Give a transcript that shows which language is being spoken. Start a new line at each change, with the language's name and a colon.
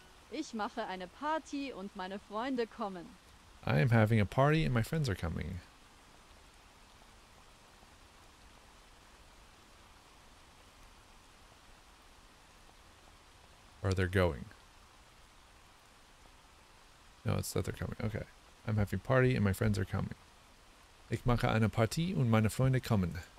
German: Ich mache eine Party und meine Freunde kommen.
English: I am having a party and my friends are coming. Or they're going. No, it's that they're coming. Okay. I'm having a party and my friends are coming.
German: Ich mache eine Party und meine Freunde kommen.